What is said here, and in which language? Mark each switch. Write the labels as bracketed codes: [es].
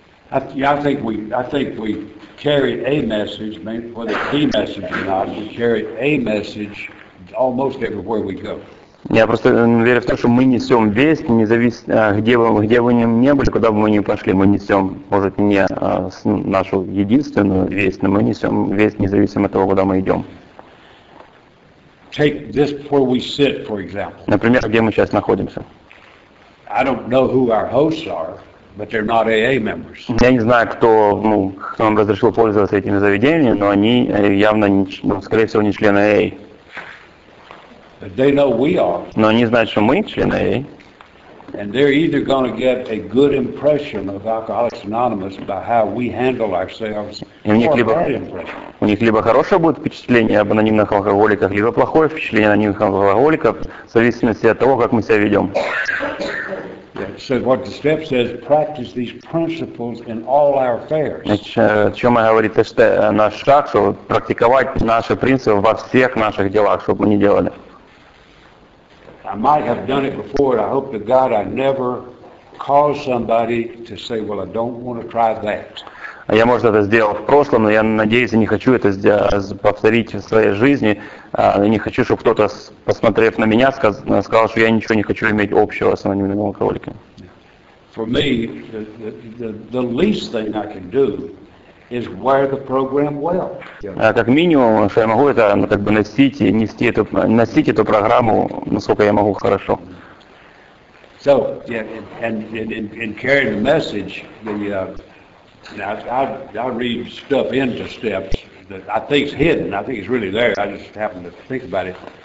[en] I think we carry a message, whether it's the message or not, we carry a message almost everywhere we go. [ru] Я просто верю в то, что мы несем весть, независимо, где бы мы ни были, куда бы мы ни пошли, мы несем, может, не нашу единственную весть, но мы несем весть, независимо от того, куда мы идем. [en] Take this where we sit, for example. [ru] Например, где мы сейчас находимся. [en] I don't know who our hosts are, but they're not AA members. [ru] Я не знаю, кто нам разрешил пользоваться этими заведениями, но они явно, скорее всего, не члены AA. [en] They know we are. [ru] Но они знают, что мы члены AA. [en] And they're either going to get a good impression of Alcoholics Anonymous by how we handle ourselves. [ru] У них либо хорошее будет впечатление об анонимных алкоголиках, либо плохое впечатление анонимных алкоголиков, в зависимости от того, как мы себя ведем. [en] So what the step says, practice these principles in all our affairs. [ru] Значит, о чем говорит наш шаг, что практиковать наши принципы во всех наших делах, чтобы мы не делали. [en] I might have done it before. I hope to God I never cause somebody to say, "Well, I don't want to try that." [ru] Я может это сделал в прошлом, но я надеюсь, я не хочу это повторить в своей жизни. Я не хочу, чтобы кто-то, посмотрев на меня, сказал, что я ничего не хочу иметь общего с анонимными алкоголиками. [en] For me, the least thing I can do is wear the program well. [ru] Как минимум, что я могу это как бы носить и носить эту программу, насколько я могу хорошо. [en] So, yeah, and carrying the message, I read stuff into steps that I think is hidden. I think it's really there. I just happen to think about it.